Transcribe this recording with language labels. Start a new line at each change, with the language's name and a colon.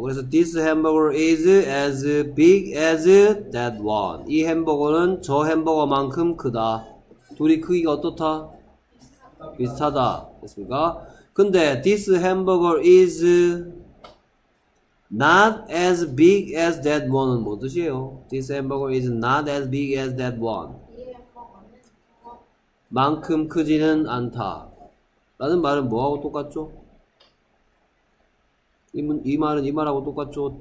Korean: 그래서
English: this hamburger is as big as that one.
Korean: 이 햄버거는 저 햄버거만큼 크다. 둘이 크기가 어떻다? 비슷하다. 됐습니까? 근데
English: this hamburger is not as big as that one
Korean: 은 뭐 뜻이에요?
English: This hamburger is not as big as that one.
Korean: 만큼 크지는 않다. 라는 말은 뭐하고 똑같죠? 이 말은 이 말하고 똑같죠?